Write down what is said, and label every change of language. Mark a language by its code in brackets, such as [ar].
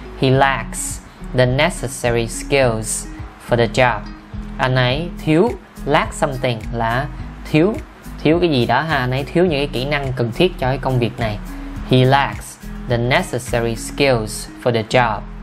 [en] He lacks the necessary skills for the job. [vi] Anh ấy thiếu, [en] lack something [vi] là thiếu cái gì đó ha. Anh ấy thiếu những cái kỹ năng cần thiết cho cái công việc này. [en] He lacks the necessary skills for the job.